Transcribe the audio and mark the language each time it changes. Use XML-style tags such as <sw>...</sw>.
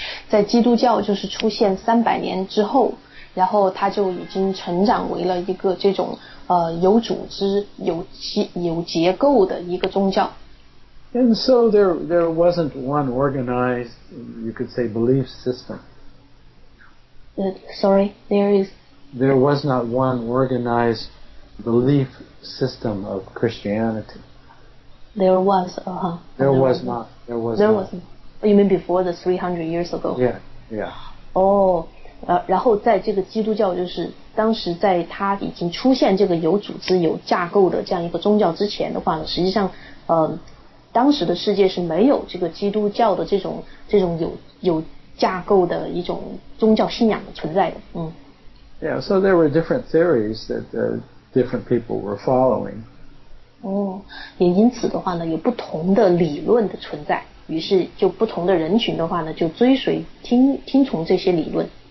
<zh>在基督教就是出现300年之后，然后它就已经成长为了一个这种有组织、有结构的一个宗教。</zh> <en>And so there wasn't one organized, you could say, belief system. There was not one organized belief system of Christianity. There was, uh-huh. There was not. There was. There wasn't. You mean before the 300 years ago? Yeah, yeah. Oh.</en> <zh>然后在这个基督教就是当时在它已经出现这个有组织有架构的这样一个宗教之前的话呢，实际上当时的世界是没有这个基督教的这种有架构的一种宗教信仰的存在的。</zh> <en>Yeah, so there were different theories that different people were following.</en> <zh>也因此的话呢，有不同的理论的存在，于是就不同的人群的话呢，就追随听从这些理论。</zh>